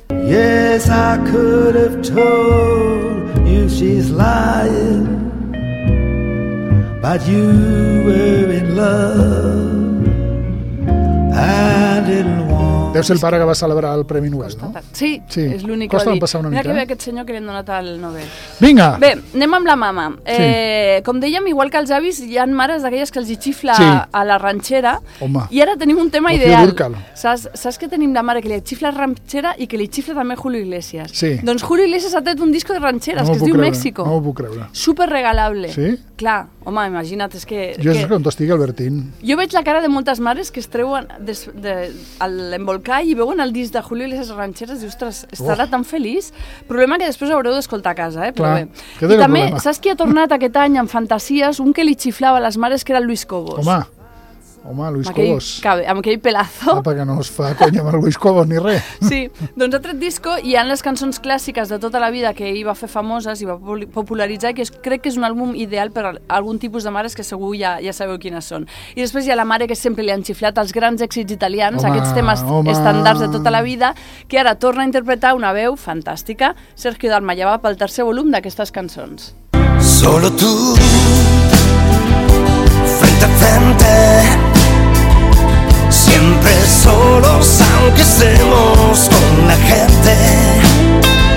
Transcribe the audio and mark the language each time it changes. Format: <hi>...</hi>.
<en>Yes, I could have told you she's lying, but you were in love and in love.</en> <ca>Deu ser el pare que va celebrar el Premi Nobel, no? Sí, sí, és l'únic que ho ha dit. Mira que ve aquest senyor que li han donat el Nobel. Vinga! Bé, anem amb la mama. Sí. Com dèiem, igual que els avis, hi ha mares d'aquelles que els hi xifla, sí, a la ranxera. Home. I ara tenim un tema ideal. Saps que tenim la mare que li xifla ranxera i que li xifla també Julio Iglesias? Sí. Doncs Julio Iglesias ha tret un disco de rancheras, no que es diu Mèxico. No ho puc creure. Super regalable. Sí? Clar, home, imagina't, és que... Jo és quan t'estic advertint. Jo veig la cara de moltes mares que es treuen l'embolcall i veuen el disc de Julio i les Rancheras i, ostres, estarà tan feliç. Problema que després haureu d'escoltar a casa, eh? Clar, però bé. I també, saps qui ha tornat aquest any amb Fantasies? Un que li xiflava a les mares, que era el Luis Cobos. Home, home, Luis aquell, Cobos. Amb aquell pelazo. Apa, que no es fa conya amb el Luis Cobos ni res. Sí, doncs ha tret disco i hi ha les cançons clàssiques de tota la vida que ell va fer famoses i va popularitzar, que crec que és un àlbum ideal per a algun tipus de mares que segur ja sabeu quines són. I després hi ha la mare que sempre li han xiflat els grans èxits italians, home, aquests temes estàndards de tota la vida, que ara torna a interpretar una veu fantàstica, Sergio Dalma, ja va pel tercer volum d'aquestes cançons.</ca> <es>Solo tú, frente a frente, siempre solos aunque estemos con la gente.</es>